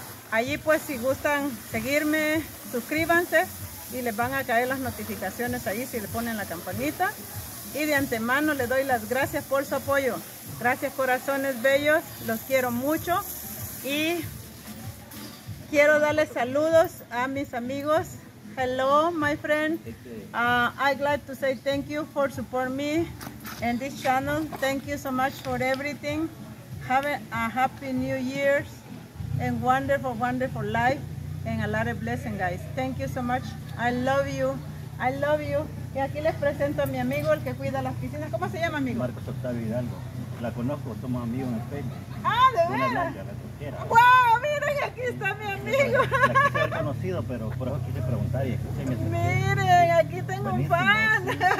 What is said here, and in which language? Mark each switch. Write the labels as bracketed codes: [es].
[es] Allí pues si gustan seguirme, suscríbanse y les van a caer las notificaciones ahí si le ponen la campanita. Y de antemano les doy las gracias por su apoyo. Gracias corazones bellos, los quiero mucho. Y quiero darles saludos a mis amigos. [en] Hello, my friend. I'd like to say thank you for supporting me in this channel. Thank you so much for everything. Have a happy new year and wonderful, wonderful life and a lot of blessing, guys. Thank you so much. I love you. I love you. [es] Y aquí les presento a mi amigo, el que cuida las piscinas. ¿Cómo se llama, amigo? Marcos Octavio Hidalgo. La conozco, somos amigos en el Facebook. ¡Ah, de veras! ¡Wow! ¡Miren, aquí está mi amigo! La quise conocido, pero por eso quise preguntar y escuché mi ¡miren, aquí tengo un fan! Sí,